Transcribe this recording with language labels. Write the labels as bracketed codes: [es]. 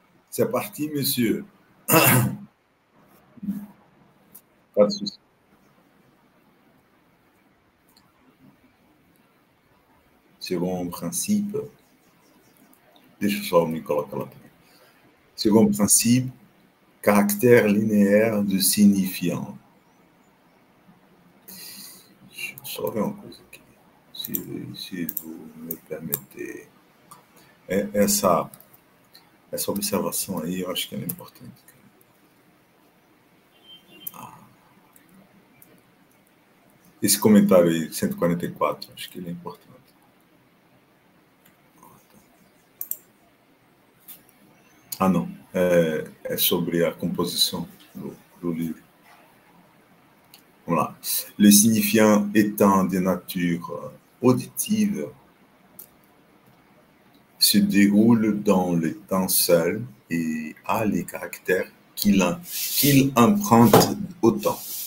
[fr] C'est parti, monsieur. Second principe, [pt] deixa eu só me colocar lá. [fr] Second principe, caractère linéaire de signifiant. Je saurais en cause [pt] aqui, [fr] si vous me permettez. [pt] Essa observação aí, eu acho que ela é importante. Esse comentário aí, 144, acho que ele é importante. Ah, não. É sobre a composição do livro. Vamos lá. [fr] Le signifiant étant de nature auditive, se déroule dans le temps seul et a les caractères qu'il emprunte au temps.